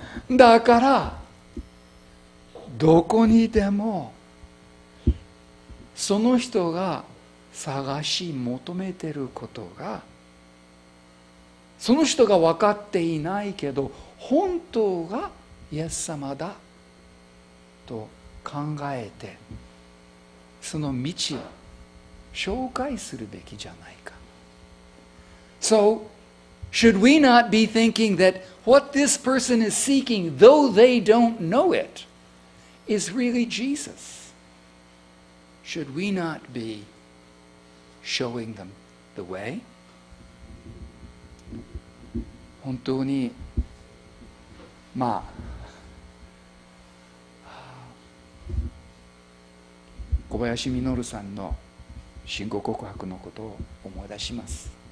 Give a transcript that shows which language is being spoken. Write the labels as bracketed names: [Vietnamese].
[Japanese] だから、どこにでも、その人が探し求めてることが、その人が分かっていないけど、本当がイエス様だと考えて、その道を紹介するべきじゃないか。 [English] So, should we not be thinking that what this person is seeking, though they don't know it, is really Jesus? Should we not be showing them the way? [Japanese] 本当に、まあ、小林稔さんの信仰告白のことを思い出します。